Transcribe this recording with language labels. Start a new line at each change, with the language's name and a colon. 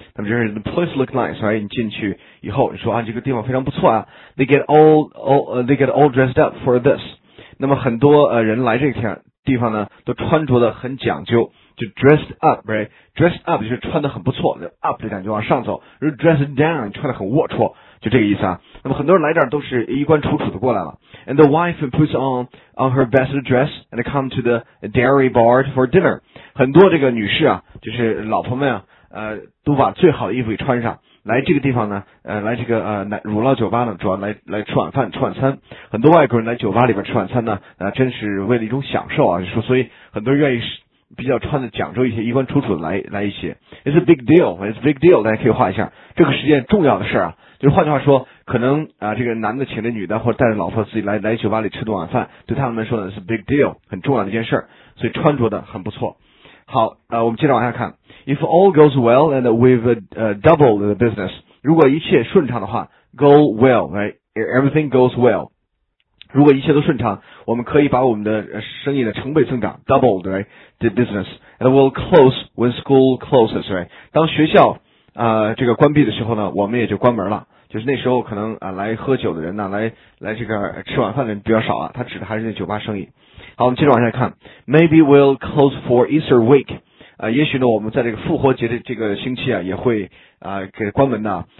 Chinese: 那么就是
English: the place looks nice， right？
Chinese: 你进去以后，你说啊，这个地方非常不错啊 ，
English: they get all dressed up for this。
Chinese: 那么很多人来这天。地方呢都穿着的很讲究，就
English: dressed up， right？
Chinese: dressed up 就是穿的很不错，就 up 的感觉往上走，而 dressed down 穿的很龌龊，就这个意思啊。那么很多人来这儿都是衣冠楚楚的过来了。
English: And the wife puts on her best dress and come to the dairy bar for dinner。
Chinese: 很多这个女士啊，就是老婆们啊，都把最好的衣服给穿上。来这个地方呢，来这个乳酪酒吧呢，主要来吃晚饭、吃晚餐。很多外国人来酒吧里边吃晚餐呢，真是为了一种享受啊。说所以很多人愿意比较穿的讲究一些、衣冠楚楚的来一些。
English: It's a big deal, it's a big deal，
Chinese: 大家可以画一下，这个是件重要的事啊。就是换句话说，可能这个男的请着女的，或者带着老婆自己来酒吧里吃顿晚饭，对他们说呢是 big deal， 很重要的一件事，所以穿着的很不错。好，我们接着往下看。
English: If all goes well and we've doubled the business，
Chinese: 如果一切顺畅的话 ，
English: go well， right？ Everything goes well，
Chinese: 如果一切都顺畅，我们可以把我们的生意的成倍增长 ，
English: doubled， right？ The business and we'll close when school closes， right？
Chinese: 当学校这个关闭的时候呢，我们也就关门了。就是那时候可能来喝酒的人呢，来这个吃晚饭的人比较少啊，他指的还是那酒吧生意。好，我们接着往下看 ，
English: Maybe we'll close for Easter week。
Chinese: 也许呢，我们在这个复活节的这个星期啊，也会给关门的。